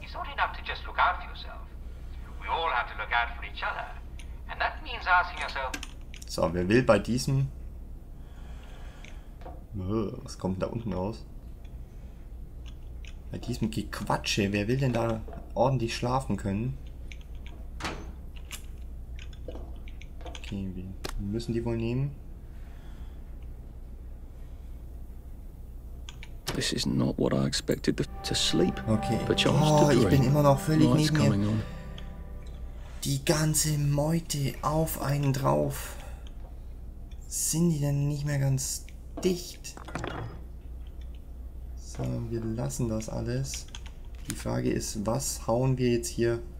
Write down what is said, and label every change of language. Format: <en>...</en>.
<en>It's not enough to just look out for yourself. We all have to look out for each other. And that means asking yourself.</en> <de>So, wer will bei diesem. Was kommt denn da unten raus? Bei diesem Gequatsche, wer will denn da ordentlich schlafen können? Okay, wir müssen die wohl nehmen.</de> <en>This is not what I expected to sleep. Okay. But</en> <de>oh, ich bin immer noch völlig</de> <en>what's</en> <de>neben mir.</de> <en>going on?</en> <de>Die ganze Meute auf einen drauf. Sind die denn nicht mehr ganz dicht? So, wir lassen das alles. Die Frage ist, was hauen wir jetzt hier?</de>